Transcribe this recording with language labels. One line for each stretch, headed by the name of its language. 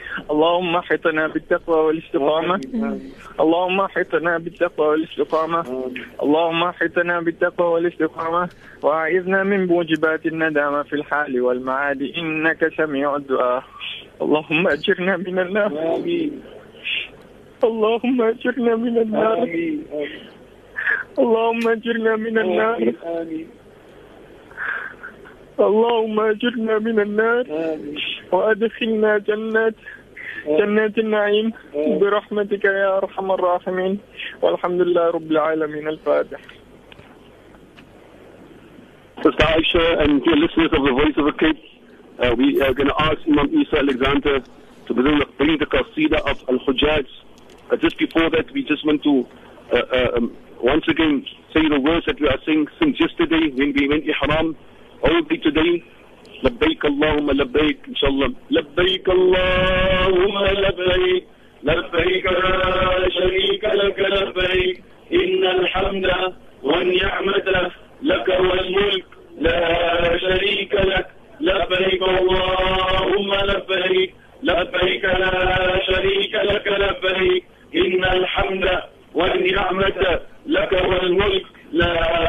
Arabic: اللهم احطنا بالتقوى والاستقامة اللهم احطنا بالتقوى والاستقامة اللهم احطنا بالتقوى والاستقامة وأعذنا من موجبات الندامة في الحال والمعاد إنك سميع الدعاء اللهم أجرنا من النار اللهم أجرنا من النار اللهم أجرنا من النار اللهم أجرنا من النار وأدخلنا جنات جنات النعيم برحمتك يا أرحم الراحمين والحمد لله رب العالمين الفاتح
English: Sister Aisha and dear listeners of the Voice of the Cape, we are going to ask Imam Isa Alexander to bring the Qasida of Al-Hujjaj. Just before that, we just want to once again say the words that we are saying since yesterday when we went Ihram. Only today,
Arabic: لبيك اللهم لبيك إن شاء الله لبيك اللهم لبيك لبيك لا شريك لك لبيك إن الحمد والنعمة لك والملك لا شريك لك لبيك اللهم لبيك لبيك لا شريك لك لبيك إن الحمد والنعمة لك والملك لا